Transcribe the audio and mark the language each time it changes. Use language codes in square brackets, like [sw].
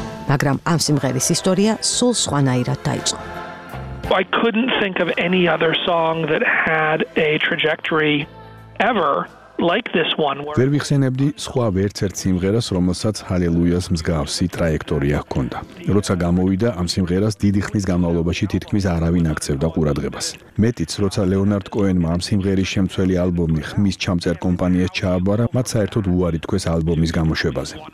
[ka] მაგრამ ამ სიმღერის ისტორია სულ სხვანაირად დაიწყო. [en] I couldn't think of any other song that had a trajectory ever like this one. [ka] ვერ მიხსენებდი სხვა ვერცერც სიმღერას, რომელსაც Alleluia-ს მსგავსი ტრაექტორია ჰქონდა. როცა გამოვიდა ამ სიმღერას დიდი ხნის განმავლობაში თითქმის არავინ აქცევდა ყურადღებას. მეტიც, როცა Leonard Cohen-მა ამ სიმღერის შემცველი ალბომი ხმის ჩამწერ კომპანიას ჩააბარა, მათ საერთოდ უარი თქვეს ალბომის გამოშვებაზე.